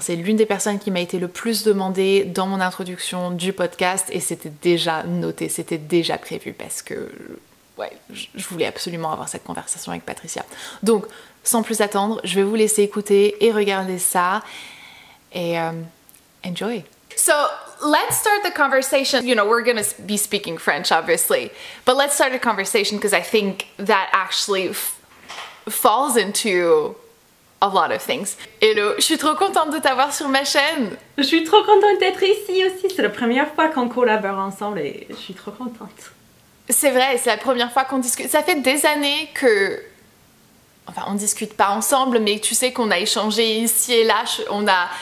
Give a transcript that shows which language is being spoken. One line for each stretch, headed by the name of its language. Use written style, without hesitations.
French: C'est l'une des personnes qui m'a été le plus demandée dans mon introduction du podcast, et c'était déjà noté, c'était déjà prévu, parce que je voulais absolument avoir cette conversation avec Patricia. Donc, sans plus attendre, je vais vous laisser écouter et regarder ça, et enjoy.
English: So, let's start the conversation. You know, we're going to be speaking French, obviously. But let's start a conversation because I think that actually falls into a lot of things.
French: Hello, je suis trop contente de t'avoir sur ma chaîne. Je suis trop contente d'être ici aussi. C'est la première fois qu'on collabore ensemble et je suis trop contente. C'est vrai, c'est la première fois qu'on discute. Ça fait des années que... Enfin, on discute pas ensemble, mais tu sais qu'on a échangé ici et là, on a...